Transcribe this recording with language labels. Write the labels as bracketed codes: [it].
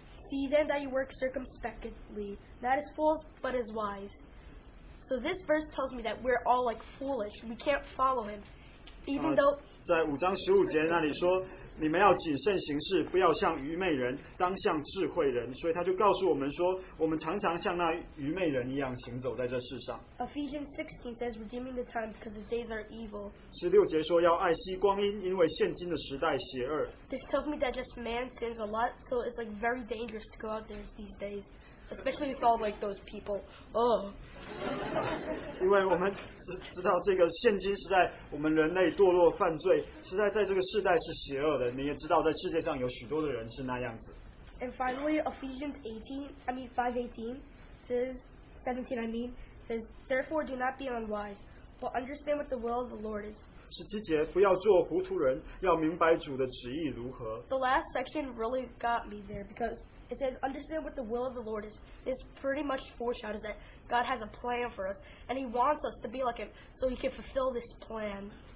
[en] See then that you work circumspectly, not as fools, but as wise. So this verse tells me that we're all like foolish. We can't follow him. Even though [zh] 在5章15节那里说, 你们要谨慎行事, 不要像愚昧人, 当像智慧人, 所以他就告诉我们说, 我们常常像那愚昧人一样行走在这世上。 [en] Ephesians 16 says, redeeming the time because the days are evil. [zh] 16节说, 要爱惜光阴, 因为现今的时代邪恶。 [en] This tells me that just man sins a lot, so it's like very dangerous to go out there these days. Especially with all like those people. Ugh. [zh] 因为我们知道这个现今时代我们人类堕落犯罪实在在这个世代是邪恶的你也知道在世界上有许多的人是那样子 [en] And finally Ephesians 18 I mean 5:18 says 17 I mean says therefore do not be unwise but understand what the will of the Lord is [zh] 17节, 不要做糊涂人, 要明白主的旨意如何 [en] The last section really got me there because it says, understand what the will of the Lord is. This pretty much foreshadows that God has a plan for us, and He wants us to be like Him so He can fulfill this plan.